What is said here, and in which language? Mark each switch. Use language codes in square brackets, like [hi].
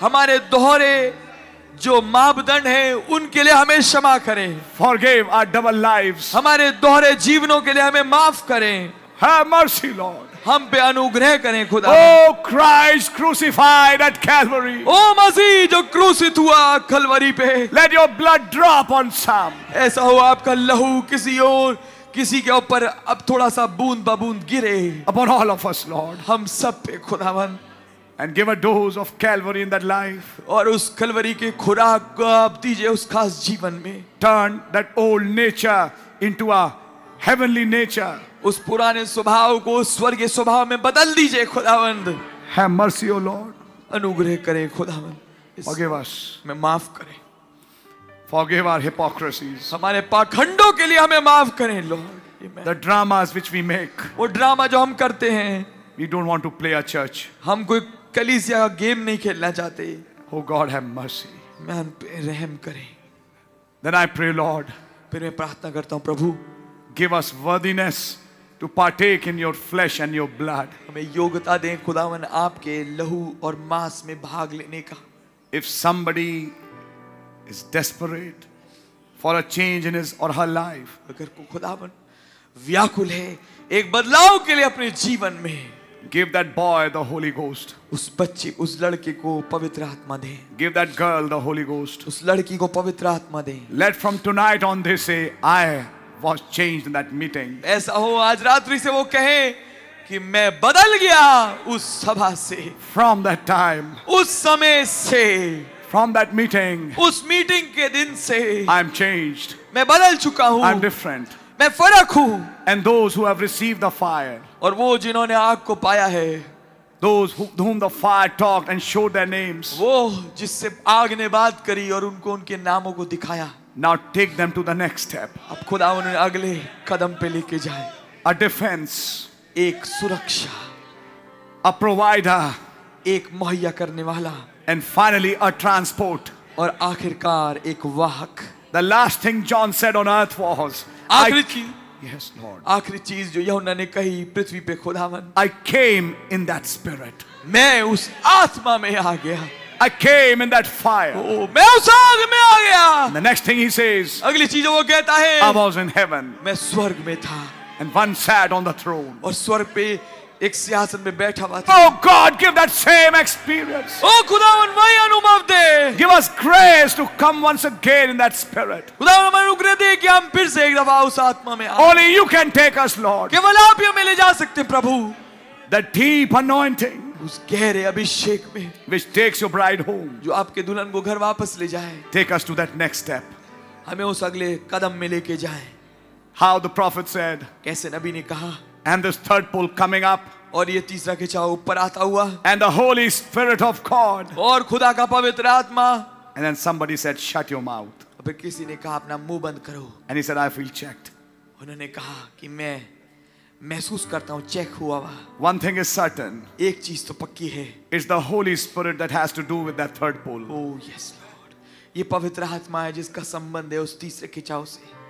[hi] हमारे दोहरे जो मापदंड हैं उनके लिए हमें क्षमा करें. [en] Forgive our double lives. [hi] हमारे दोहरे जीवनों के लिए हमें माफ करें. [en] Have mercy, Lord. [hi] हम पे अनुग्रह करें खुदा. [en] Oh Christ crucified at Calvary. [hi] ओ मसीह जो क्रूसित हुआ कलवरी पे. [en] Let your blood drop on some. [hi] ऐसा हो आपका लहू किसी और किसी के ऊपर अब थोड़ा सा बूंद बूंद गिरे. [en] Upon all of us, Lord. [hi] हम सब पे खुदावन. [en] And give a dose of Calvary in that life. [hi] और उस कलवरी के खुराक को आप दीजिए उस खास जीवन में. [en] Turn that old nature into a heavenly nature. [hi] उस पुराने स्वभाव को स्वर्गीय स्वभाव में बदल दीजिए खुदावंद. [en] Have mercy, O Lord. [hi] अनुग्रह करें खुदावंद. [en] Forgive us. [hi] मैं माफ करें. [en] Forgive our hypocrisies. [hi] हमारे पाखंडों के लिए हमें माफ करें Lord. [en] The dramas which we make. [hi] वो ड्रामा जो हम करते हैं. [en] We don't want to play a church. [hi] हम कोई कलीसिया का गेम नहीं खेलना चाहते. [en] Oh God, have mercy. [hi] मैं हम पे रहम करें. [en] Then I pray, Lord. [hi] फिर मैं प्रार्थना करता हूँ प्रभु. [en] Give us worthiness to partake in your flesh and your blood. [hi] हमें योग्यता दें खुदावन आपके लहू और मांस में भाग लेने का. [en] If somebody is desperate for a change in his or her life. [hi] अगर को खुदावन व्याकुल है एक बदलाव के लिए अपने जीवन में. [en] Give that boy the Holy Ghost. [hi] उस बच्चे उस लड़के को पवित्र आत्मा दे. [en] Give that girl the Holy Ghost. [hi] उस लड़की को पवित्र आत्मा दे. [en] Let from tonight on they say, I was changed in that meeting. [hi] ऐसा हो आज रात्रि से वो कहे कि मैं बदल गया उस सभा से. [en] From that time. [hi] उस समय से. [en] From that meeting. [hi] उस मीटिंग के दिन से. [en] I'm changed. [hi] मैं बदल चुका हूँ. [en] I'm different. [hi] मैं फर्क हूँ. [en] And those who have received the fire. [hi] और वो जिन्होंने आग को पाया है. [en] Those whom the fire talked and showed their names. [hi] वो जिससे आग ने बात करी और उनको उनके नामों को दिखाया. [en] Now take them to the next step. [hi] अब खुदा उन्हें अगले कदम पे लेके जाए. [en] A defense. [hi] एक सुरक्षा. [en] A provider. [hi] एक मुहैया करने वाला. [en] And finally a transport. [hi] और आखिरकार एक वाहक. [en] The last thing John said on earth was. Yes, Lord. [hi] आखिरी चीज जो यूहन्ना ने कही पृथ्वी पे खुदावन. [en] I came in that spirit. [hi] मैं उस आत्मा में आ गया. [en] I came in that fire. [hi] ओ, मैं उस आग में आ गया. [en] The next thing he says. [hi] अगली चीज वो कहता है. [en] I was in heaven. [hi] मैं स्वर्ग में था. [en] And one sat on the throne. [hi] और स्वर्ग पे एक सिंहासन में बैठा हुआ था. [en] Oh God, give that same experience. [hi] ओ खुदावन वही अनुभव दे. [en] Give us grace to come once again in that spirit. [hi] खुदावन हमें अनुग्रह दे कि हम फिर से एक दफा उस आत्मा में आएं. [en] Only you can take us, Lord. [hi] केवल आप ही हमें ले जा सकते हैं प्रभु. [en] The deep anointing. [hi] उस गहरे अभिषेक में. [en] Which takes your bride home. [hi] जो आपके दुल्हन को घर वापस ले जाए. [en] Take us to that next step. [hi] हमें उस अगले कदम में लेके जाए. [en] How the prophet said, [hi] कैसे नबी ने कहा, [en] and this third pole coming up, [hi] और ये तीसरा खिंचाव ऊपर आता हुआ, [en] and the Holy Spirit of God, [hi] और खुदा का पवित्र आत्मा, [en] and then somebody said, shut your mouth. [hi] अबे किसी ने कहा अपना मुंह बंद करो, [en] and he said, I feel checked. [hi] उन्होंने कहा कि मैं महसूस करता हूँ चेक हुआ हुआ. [en] One thing is certain. [hi] एक चीज तो पक्की है. [en] It's the Holy Spirit that has to do with that third pole. Oh yes, Lord. [hi] ये पवित्र आत्मा है जिसका संबंध है उस तीसरे खिंचाव से.